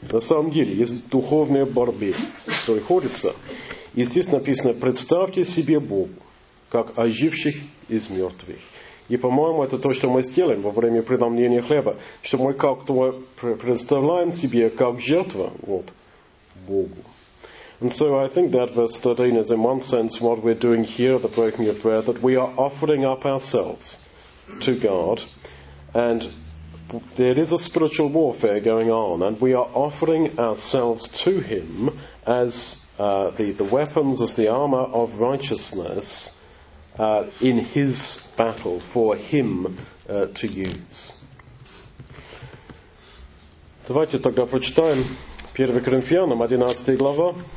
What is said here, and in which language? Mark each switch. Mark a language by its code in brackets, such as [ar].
[ru] На самом деле, есть духовные борьбы, которые ходятся. И здесь написано, представьте себе Богу, как оживших из мертвых. И, по-моему, это то, что мы сделаем во время преломления хлеба, что мы как-то представляем себе как жертва вот, Богу. [en] And so I think that verse 13 is in one sense what we're doing here at the breaking of bread, that we are offering up ourselves to God. And there is a spiritual warfare going on, and we are offering ourselves to Him as the weapons, as the armor of righteousness in His battle for Him to use. [ru] Давайте тогда прочитаем 1 Коринфянам 11 глава.